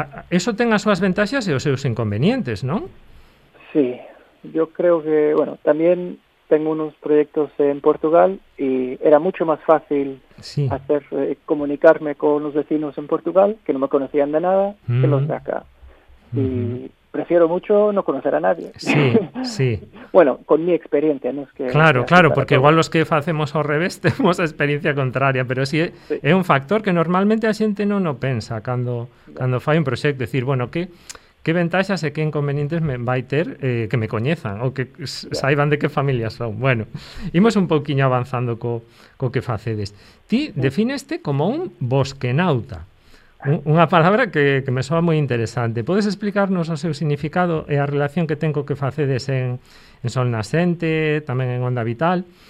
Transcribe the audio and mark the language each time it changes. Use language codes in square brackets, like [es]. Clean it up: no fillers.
[gl] Eso ten as súas ventaxas e os seus inconvenientes, non? [es] Sí, yo creo que, bueno, también tengo unos proyectos en Portugal y era mucho más fácil comunicarme con los vecinos en Portugal, que no me conocían de nada, que los de acá. Mm-hmm. Y prefiero mucho no conocer a nadie. Sí, sí. Bueno, con mi experiencia, ¿no? Es que claro, porque igual los que hacemos al revés tenemos experiencia contraria, pero sí, es un factor que normalmente la gente no [gl] pensa cuando fai [es] un proyecto, decir, bueno, ¿qué? [gl] Que ventaxas e que inconvenientes me vai ter que me coñezan ou que saiban de que familia son. Bueno, imos un pouquiño avanzando co que facedes. Ti defineste como un bosquenauta. Unha palabra que me soa moi interesante. Podes explicarnos o seu significado e a relación que ten co que facedes en Sol Nascente, tamén en Onda Vital?